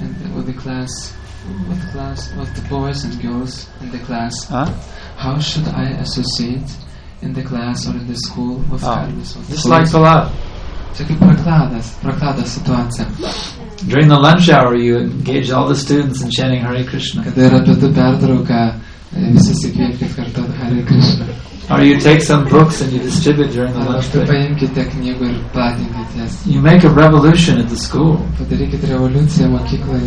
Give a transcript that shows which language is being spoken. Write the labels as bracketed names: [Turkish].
[English] And with the class, with the boys and girls in the class. Huh? How should I associate in the class or in the school with Carlos? Just like a lot. [Lithuanian] Čia kaip prakladas situacija. [English] During the lunch hour, you engage all the students in chanting Hare Krishna. [Lithuanian] Kada yra pietų pertrauka, visi įkvėpkit kartu Hare Krishna. [English] Or you take some books and you distribute during the lunch break. [Lithuanian] Paimkite knygų ir platinkite jas. [English] You make a revolution at the school. [Lithuanian] Padarykit revoliuciją mokykloje.